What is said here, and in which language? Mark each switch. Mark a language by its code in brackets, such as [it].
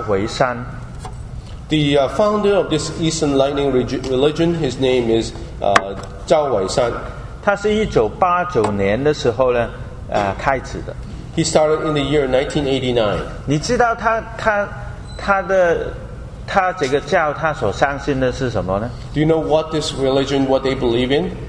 [zh] 东方闪电教呢，它的创始人呢是赵维山。 [en] The founder of this Eastern Lightning religion, his name is 赵维山。 [zh] 他是1989年的时候呢，开始的。 [en] He started in the year 1989. [zh] 你知道他这个教他所相信的是什么呢 [en] ？Do you know what this religion, what they believe in？